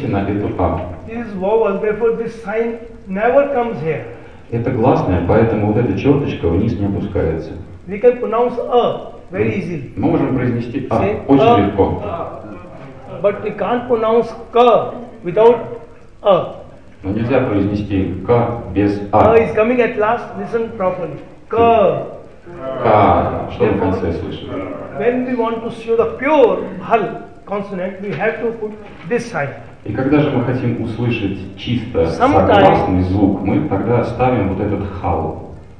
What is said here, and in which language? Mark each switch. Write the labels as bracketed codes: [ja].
[en] is vowel, therefore this sign never comes here. [ru] Это гласное, поэтому вот эта черточка вниз не опускается. [en] We can pronounce a very easily. [ru] Мы можем произнести a очень легко. [en] But we can't pronounce k without a. [ru] Но нельзя произнести k без a. [en] A is coming at last. Listen properly. K. [ru] K. Что в конце слышишь? [en] When we want to show the pure hal consonant, we have to put this sign. [ru] И когда же мы хотим услышать чисто согласный звук, мы тогда ставим вот этот хал.